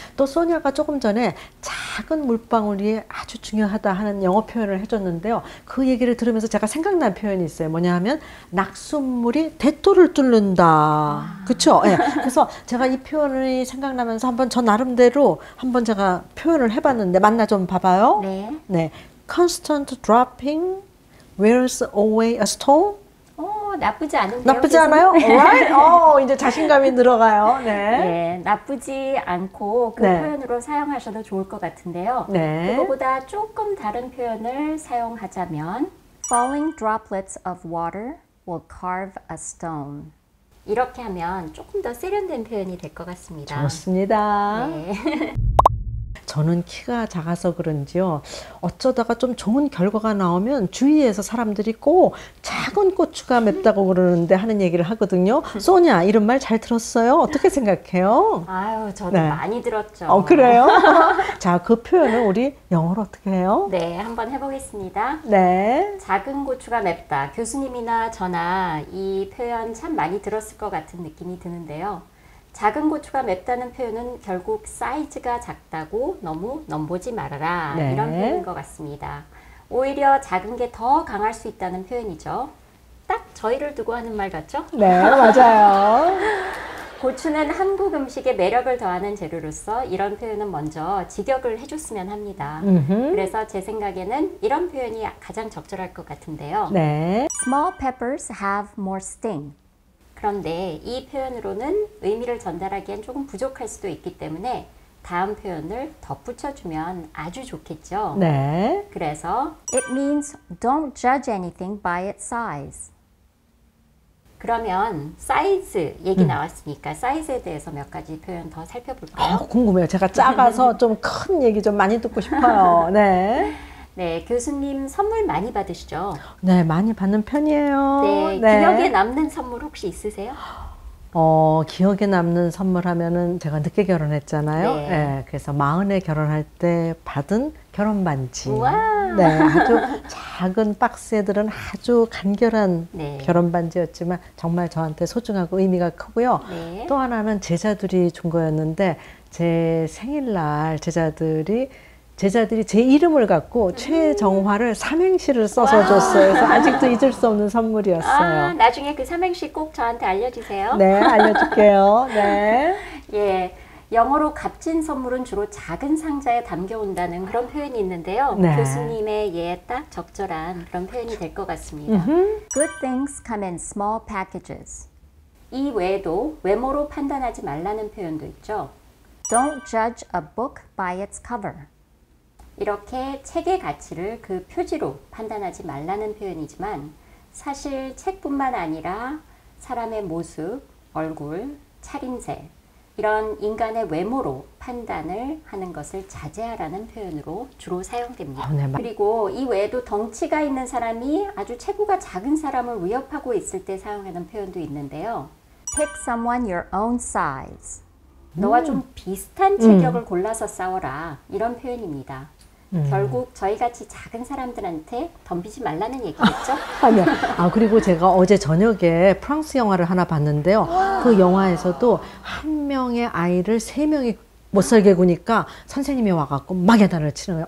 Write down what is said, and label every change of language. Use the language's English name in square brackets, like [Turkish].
[Korean] 또 소녀가 조금 전에 작은 물방울이 아주 중요하다 하는 영어 표현을 해줬는데요. 그 얘기를 들으면서 제가 생각난 표현이 있어요. 뭐냐 하면 낙순물이 대토를 뚫는다. 그렇죠? 네. 그래서 제가 이 표현이 생각나면서 한번 저 나름대로 한번 제가 표현을 해봤는데 맞나 좀 봐봐요. 네. 네. [English] Constant dropping wears away a stone. [Korean] 나쁘지 않은데요. 나쁘지 않아요? [English] Alright. [Korean] 이제 자신감이 늘어가요. 네. 네, 나쁘지 않고 그 네. 표현으로 사용하셔도 좋을 것 같은데요. 네. 그거보다 조금 다른 표현을 사용하자면 [English] Falling droplets of water will carve a stone. [Korean] 이렇게 하면 조금 더 세련된 표현이 될 것 같습니다. 좋습니다. 네. 저는 키가 작아서 그런지요. 어쩌다가 좀 좋은 결과가 나오면 주위에서 사람들이 꼭 작은 고추가 맵다고 그러는데 하는 얘기를 하거든요. 소냐, 이런 말 잘 들었어요? 어떻게 생각해요? 아유, 저는 네. 많이 들었죠. 그래요? 자, 그 표현은 우리 영어로 어떻게 해요? 네, 한번 해보겠습니다. 네. 작은 고추가 맵다. 교수님이나 저나 이 표현 참 많이 들었을 것 같은 느낌이 드는데요. 작은 고추가 맵다는 표현은 결국 사이즈가 작다고 너무 넘보지 말아라 네. 이런 표현인 것 같습니다. 오히려 작은 게 더 강할 수 있다는 표현이죠. 딱 저희를 두고 하는 말 같죠? 네, 맞아요. 고추는 한국 음식의 매력을 더하는 재료로서 이런 표현은 먼저 직역을 해줬으면 합니다. 음흠. 그래서 제 생각에는 이런 표현이 가장 적절할 것 같은데요. 네. [English] Small peppers have more sting. [Korean] 그런데 이 표현으로는 의미를 전달하기엔 조금 부족할 수도 있기 때문에 다음 표현을 덧붙여주면 아주 좋겠죠? 네. 그래서 [English] It means don't judge anything by its size. [Korean] 그러면 사이즈 얘기 나왔으니까 사이즈에 대해서 몇 가지 표현 더 살펴볼까요? 궁금해요. 제가 작아서 좀 큰 얘기 좀 많이 듣고 싶어요. 네. 네, 교수님 선물 많이 받으시죠? 네, 많이 받는 편이에요. 네, 기억에 네. 남는 선물 혹시 있으세요? 기억에 남는 선물 하면은 제가 늦게 결혼했잖아요. 네. 예, 그래서 마흔에 결혼할 때 받은 결혼 반지. 우와. 네, 아주 작은 박스들은 아주 간결한 네. 결혼 반지였지만 정말 저한테 소중하고 의미가 크고요. 네. 또 하나는 제자들이 준 거였는데 제 생일날 제자들이 제 이름을 갖고 최정화를 삼행시를 써서 줬어요. 그래서 아직도 잊을 수 없는 선물이었어요. 나중에 그 삼행시 꼭 저한테 알려주세요. 네, 알려줄게요. 네. 예. 영어로 값진 선물은 주로 작은 상자에 담겨온다는 그런 표현이 있는데요. 네. 교수님의 예에 딱 적절한 그런 표현이 될것 같습니다. [English] Good things come in small packages. [Korean] 이 외에도 외모로 판단하지 말라는 표현도 있죠. [English] Don't judge a book by its cover. [Korean] 이렇게 책의 가치를 그 표지로 판단하지 말라는 표현이지만 사실 책뿐만 아니라 사람의 모습, 얼굴, 차림새, 이런 인간의 외모로 판단을 하는 것을 자제하라는 표현으로 주로 사용됩니다. 네, 그리고 이 외에도 덩치가 있는 사람이 아주 체구가 작은 사람을 위협하고 있을 때 사용하는 표현도 있는데요. [English] Pick someone your own size. [Korean] 너와 좀 비슷한 체격을 골라서 싸워라. 이런 표현입니다. 결국 저희같이 작은 사람들한테 덤비지 말라는 얘기겠죠? 아니요. 아, 그리고 제가 어제 저녁에 프랑스 영화를 하나 봤는데요. 그 영화에서도 한 명의 아이를 세 명이 못 살게 구니까 선생님이 와갖고 막야단을 치는 거예요.